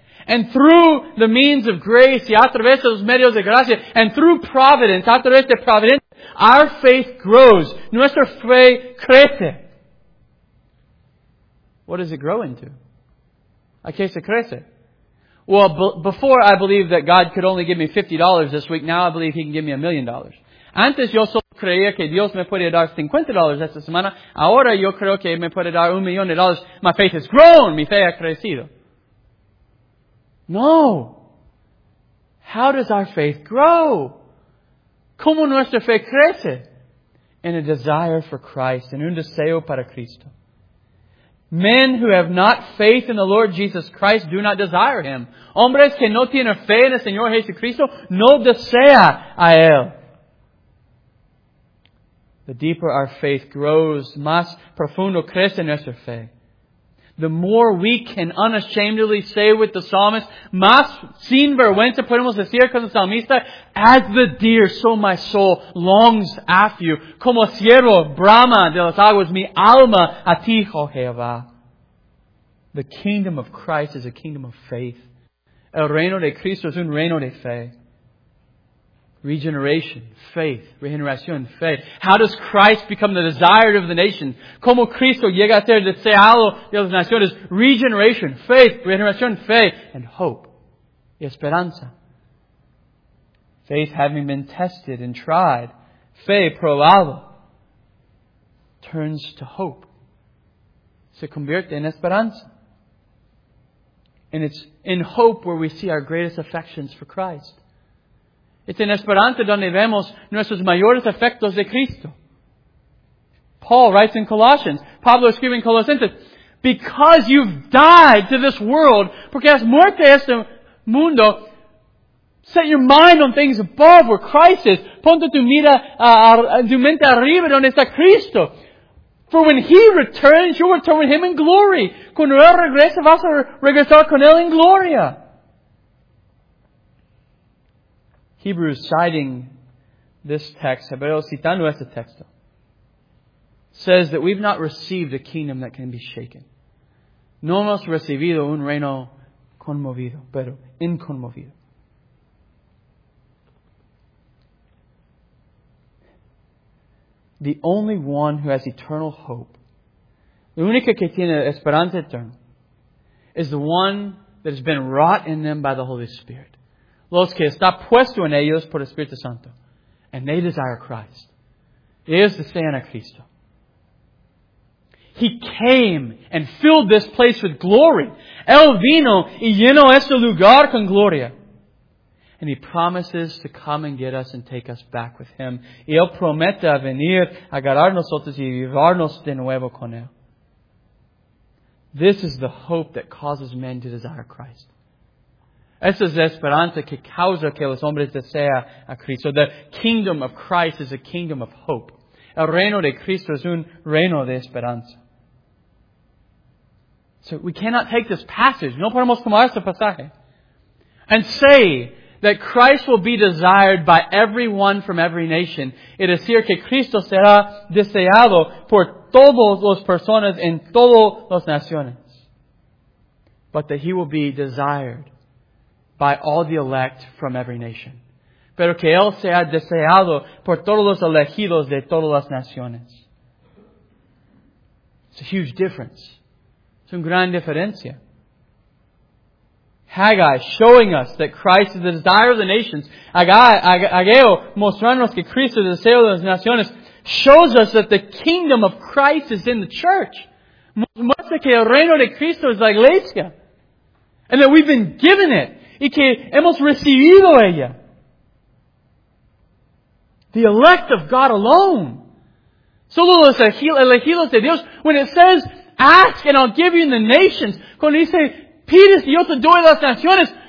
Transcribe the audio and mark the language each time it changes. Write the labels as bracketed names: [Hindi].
[English] And through the means of grace, [Spanish] y a través de los medios de gracia, [English] and through providence, [Spanish] a través de providencia, [English] our faith grows. [Spanish] Nuestra fe crece. [English] What does it grow into? [Spanish] ¿A qué se crece? [English] Well, before I believed that God could only give me $50 this week, now I believe He can give me $1,000,000. [Spanish] Antes yo solo creía que Dios me podía dar $50 esta semana. Ahora yo creo que me puede dar $1,000,000. [English] My faith has grown. [Spanish] Mi fe ha crecido. [English] No. How does our faith grow? [Spanish] ¿Cómo nuestra fe crece? [English] In a desire for Christ, in [Spanish] un deseo para Cristo. [English] Men who have not faith in the Lord Jesus Christ do not desire Him. [Spanish] Hombres que no tienen fe en el Señor Jesucristo no desea a Él. [English] The deeper our faith grows, [Spanish] más profundo crece nuestra fe. [English] The more we can unashamedly say with the psalmist, [Spanish] más sin vergüenza podemos decir con el salmista, [English] as the deer, so my soul longs after you. [Spanish] Como siervo brama de las aguas, mi alma a ti, oh Jehová. [English] The kingdom of Christ is a kingdom of faith. [Spanish] El reino de Cristo es un reino de fe. [English] Regeneration, faith, [Spanish] regeneración, fe. [English] How does Christ become the desire of the nation? [Spanish] Como Cristo llega a ser deseado de las naciones? [English] Regeneration, faith, [Spanish] regeneración, fe. [English] And hope, [Spanish] esperanza. [English] Faith having been tested and tried, [Spanish] fe probado, [English] turns to hope. [Spanish] Se convierte en esperanza. [English] And it's in hope where we see our greatest affections for Christ. [Spanish] Es en esperanza donde vemos nuestros mayores afectos de Cristo. [English] Paul writes in Colossians, [Spanish] Pablo escribe en Colosenses, [English] because you've died to this world, [Spanish] porque has muerto a este mundo, [English] set your mind on things above where Christ is. [Spanish] Ponte tu mente arriba donde está Cristo. [English] For when He returns, you'll return with Him in glory. [Spanish] Cuando Él regrese, vas a regresar con Él en gloria. [English] Hebrews citing this text, [Spanish] Hebreos citando este texto, [English] says that we've not received a kingdom that can be shaken. [Spanish] No hemos recibido un reino conmovido, pero inconmovido. [English] The only one who has eternal hope, [Spanish] la única que tiene esperanza eterna, [English] is the one that has been wrought in them by the Holy Spirit. [Spanish] Los que está puesto en ellos por el Espíritu Santo. [English] And they desire Christ. [Spanish] Ellos desean a Cristo. [English] He came and filled this place with glory. [Spanish] Él vino y llenó este lugar con gloria. [English] And He promises to come and get us and take us back with Him. [Spanish] Y Él promete a venir a agarrar nosotros y llevarnos de nuevo con Él. [English] This is the hope that causes men to desire Christ. [Spanish] Esa es la esperanza que causa que los hombres desean a Cristo. [English] The kingdom of Christ is a kingdom of hope. [Spanish] El reino de Cristo es un reino de esperanza. [English] So we cannot take this passage, [Spanish] no podemos tomar este pasaje, [English] and say that Christ will be desired by everyone from every nation. [Spanish] Es decir, que Cristo será deseado por todas las personas en todas las naciones. [English] But that He will be desired by all the elect from every nation. [Spanish] Pero que Él sea deseado por todos los elegidos de todas las naciones. [English] It's a huge difference. [Spanish] Es una gran diferencia. [English] Haggai showing us that Christ is the desire of the nations. [Spanish] Ageo mostrándonos que Cristo es el deseo de las naciones. [English] Shows us that the kingdom of Christ is in the church. [Spanish] Muestra que el reino de Cristo es la iglesia. [English] And that we've been given it. [Spanish] Y que hemos recibido ella. [English] The elect of God alone. [Spanish] Solo los elegidos de Dios. [English] When it says, ask and I'll give you in the nations. [Spanish] Cuando dice, pides y yo te doy las naciones.